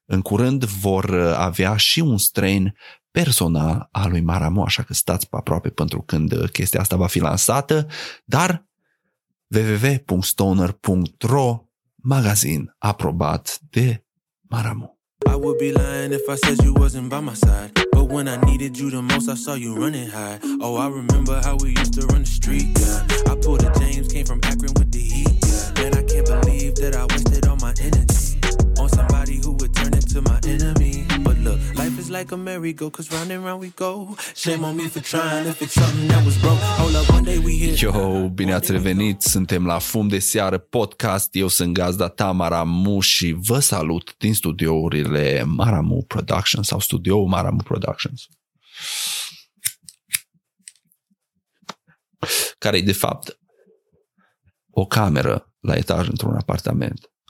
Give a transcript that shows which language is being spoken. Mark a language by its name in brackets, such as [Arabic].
[Romanian] În curând vor avea și un strain personal al lui Maramo, așa că stați pe aproape pentru când chestia asta va fi lansată, dar www.stoner.ro, magazin aprobat de Maramo. [English] I would be lying if I said you wasn't by my side. But when I needed you the most, I saw you running high. Oh, I remember how we used to run the street, yeah. I pulled a James, came from Akron with the heat, yeah. And I can't believe that I wasted all my energy on somebody who would turn into my enemy. But look, life is like a merry-go, cause round and round we go. Shame on me for trying to fix something that was broke. Hold up, one day we hit. [Romanian] Yo, bine ați revenit, suntem la Fum de Seară Podcast. Eu sunt gazda ta, Maramu, și vă salut din studiourile Maramu Productions sau studioul Maramu Productions, care e de fapt o cameră la etaj într-un apartament.